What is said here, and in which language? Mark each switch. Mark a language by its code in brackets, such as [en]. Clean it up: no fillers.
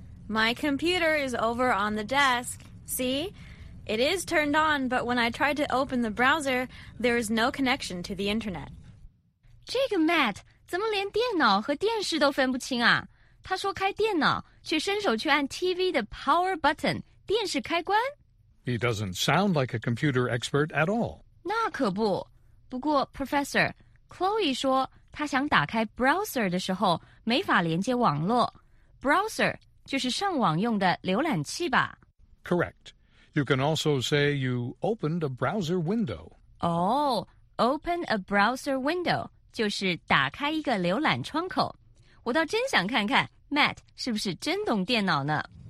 [en] My computer is over on the desk. See? It is turned on, but when I tried to open the browser, there is no connection to the internet. [zh] 这个 Matt 怎么连电脑和电视都分不清啊？他说开电脑，却伸手去按 TV 的 power button, 电视开关。 [en] He doesn't sound like a computer expert at all. [zh] 那可不。不过 Professor, Chloe 说他想打开 browser 的时候没法连接网络。 Browser 就是上网用的浏览器吧。 [en] Correct. You can also say you opened a browser window. [zh] Oh, open a browser window 就是打开一个浏览窗口。我倒真想看看 Matt 是不是真懂电脑呢。